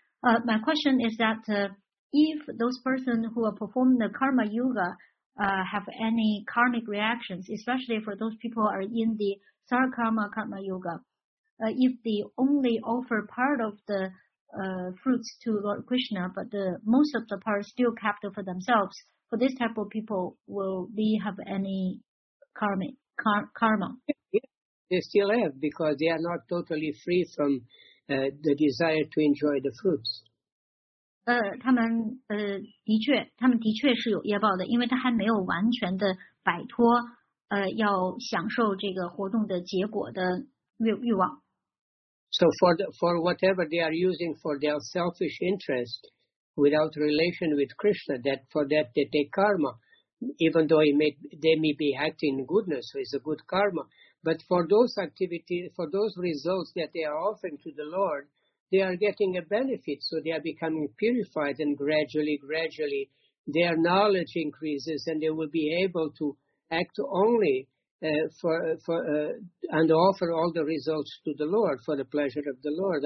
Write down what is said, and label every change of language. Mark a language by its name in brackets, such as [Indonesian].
[English] My question is that if those person who are perform the Karma Yoga have any karmic reactions, especially for those people are in the Sarkarma Karma Yoga, if they only offer part of the fruits to Lord Krishna, but the most of the part still kept for themselves,For this type of people, will they have any karma? Yeah, they still have because they are not totally free from the desire to enjoy the fruits. [Chinese] 他们的确是有业报的，因为他还没有完全的摆脱要享受这个活动的结果的欲望。 [English] So for whatever they are using for their selfish interest. Without relation with Krishna, that for that they take karma, even though they may be acting in goodness, so it's a good karma. But for those activities, for those results that they are offering to the Lord, they are getting a benefit, so they are becoming purified, and gradually their knowledge increases, and they will be able to act only and offer all the results to the Lord for the pleasure of the Lord.